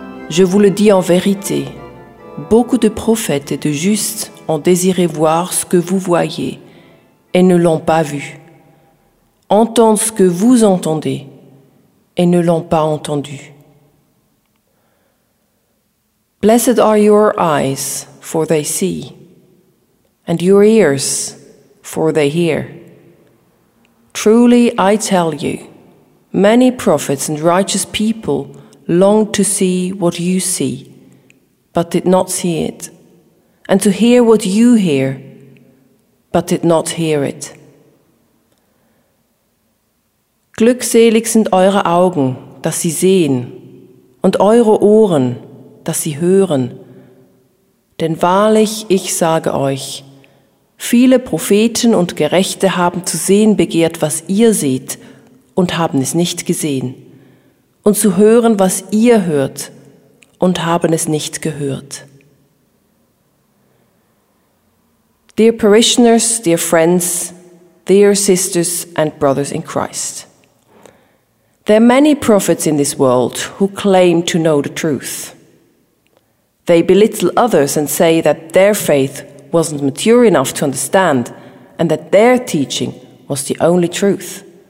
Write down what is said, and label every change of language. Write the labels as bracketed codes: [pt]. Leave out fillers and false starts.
[fr] Je vous le dis en vérité, beaucoup de prophètes et de justes ont désiré voir ce que vous voyez, et ne l'ont pas vu. Entendre ce que vous entendez, et ne l'ont pas entendu. [en] Blessed are your eyes, for they see, and your ears, for they hear. Truly I tell you, many prophets and righteous people longed to see what you see, but did not see it, and to hear what you hear, but did not hear it. [de] Glückselig sind eure Augen, dass sie sehen, und eure Ohren, dass sie hören. Denn wahrlich, ich sage euch, viele Propheten und Gerechte haben zu sehen begehrt, was ihr seht, und haben es nicht gesehen, und zu hören, was ihr hört, und haben es nicht gehört. [en] Dear parishioners, dear friends, dear sisters and brothers in Christ, there are many prophets in this world who claim to know the truth. They belittle others and say that their faith wasn't mature enough to understand and that their teaching was the only truth.